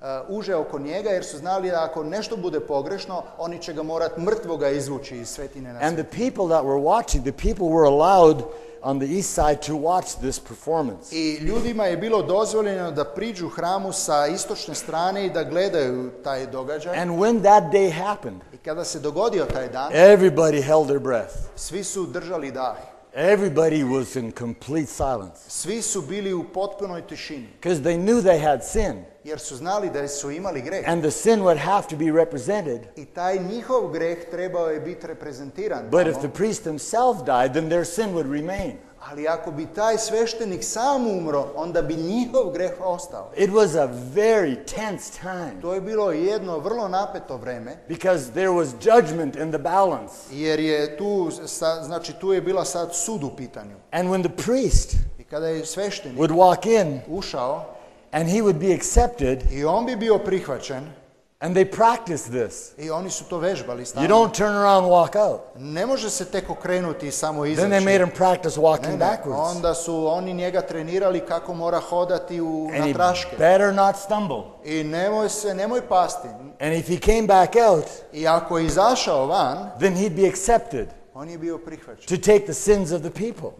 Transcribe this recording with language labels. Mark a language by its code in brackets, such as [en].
[hr] Uže oko njega jer su znali da ako nešto bude pogrešno, oni će ga morati mrtvoga izvući iz svetine na svetinu. [en] And the people that were watching, the people were allowed on the east side to watch this performance. [hr] I ljudima je bilo dozvoljeno da priđu hramu sa istočne strane i da gledaju taj događaj. [en] And when that day happened, [hr] i kada se dogodio taj dan, [en] everybody held their breath. [hr] Svi su držali dah. [en] Everybody was in complete silence. [hr] Svi su bili u potpunoj tišini. [en] Because they knew they had sin. [hr] Jer su znali da su imali greh. [en] And the sin would have to be represented. [hr] I taj njihov greh trebao je biti reprezentiran. [en] But if the priest himself died, then their sin would remain. [hr] Ali ako bi taj sveštenik sam umro, onda bi njihov greh ostao. [en] It was a very tense time. [hr] To je bilo jedno vrlo napeto vreme. [en] Because there was judgment in the balance. [hr] Jer je tu, znači tu je bila sad sud u pitanju. [en] And when the priest [hr] i kada je sveštenik [en] would walk in, [hr] ušao, [en] and he would be accepted, [hr] i on bi bio prihvaćen, [en] and they practiced this. [hr] I oni su to vežbali stalno. [en] You don't turn around and walk out. [hr] Ne može se tek okrenuti i samo izaći. [en] Then they made him practice walking backwards. [hr] Onda su oni njega trenirali kako mora hodati u natraške. [en] Better not stumble. [hr] I nemoj pasti. [en] And if he came back out, [hr] i ako izašao van, [en] then he'd be accepted. [hr] On je bio prihvaćen. [en] To take the sins of the people.